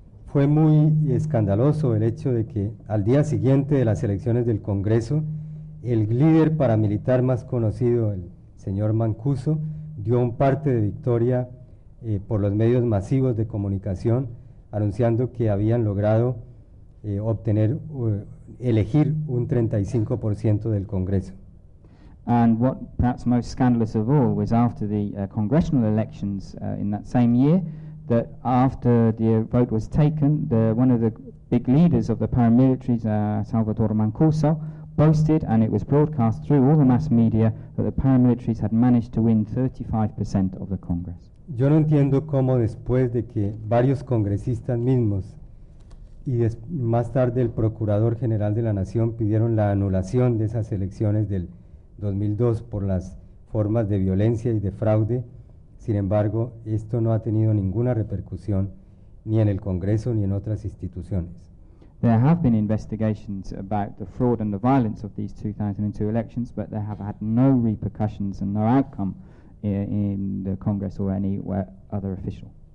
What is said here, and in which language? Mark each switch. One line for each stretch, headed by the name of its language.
Spanish: Fue muy escandaloso el hecho de que al día siguiente de las elecciones del Congreso, el líder paramilitar más conocido, el señor Mancuso, dio un parte de victoria por los medios masivos de comunicación, anunciando que habían logrado obtener elegir un 35% del Congreso.
English: And what perhaps most scandalous of all was after the congressional elections in that same year, that after the vote was taken, one of the big leaders of the paramilitaries, Salvador Mancuso, boasted, and it was broadcast through all the mass media, that the paramilitaries had managed to win 35% of the Congress.
Spanish: Yo no entiendo cómo después de que varios congresistas mismos y más tarde el Procurador General de la Nación pidieron la anulación de esas elecciones del 2002 por las formas de violencia y de fraude, sin embargo, esto no ha tenido ninguna repercusión ni en el Congreso ni en otras instituciones.
English: There have been investigations about the fraud and the violence of these 2002 elections, but they have had no repercussions and no outcome in the Congress or anywhere other official.